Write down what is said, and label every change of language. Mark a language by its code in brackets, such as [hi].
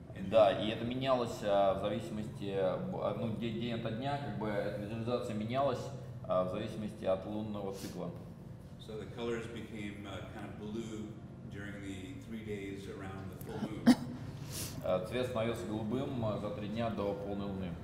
[ru] Да, и это менялось в зависимости, ну, день ото дня, как бы эта визуализация менялась в зависимости от лунного цикла. [en] So the colors became kind of blue during the 3 days around the full moon. [ru] Цвет становился голубым за 3 дня до полной луны.